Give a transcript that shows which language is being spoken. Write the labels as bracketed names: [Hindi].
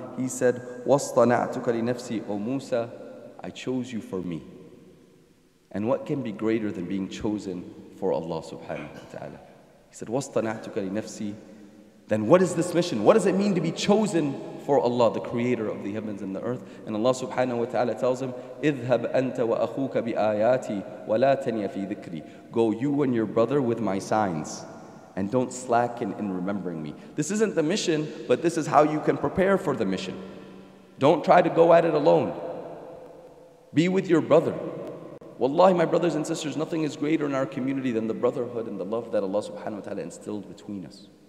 [English] He said, [Arabic] وَاصْطَنَعْتُكَ لِنَفْسِي, [English] O Musa, I chose you for me. And what can be greater than being chosen for Allah subhanahu wa ta'ala? He said, [Arabic] وَاصْطَنَعْتُكَ لِنَفْسِي. [English] Then what is this mission? What does it mean to be chosen for Allah, the creator of the heavens and the earth? And Allah subhanahu wa ta'ala tells him, [Arabic] اذهب أنت وأخوك بآياتي ولا تنيا في ذكري. [English] Go you and your brother with my signs, and don't slacken in remembering me. This isn't the mission, but this is how you can prepare for the mission. Don't try to go at it alone. Be with your brother. Wallahi, my brothers and sisters, nothing is greater in our community than the brotherhood and the love that Allah subhanahu wa ta'ala instilled between us.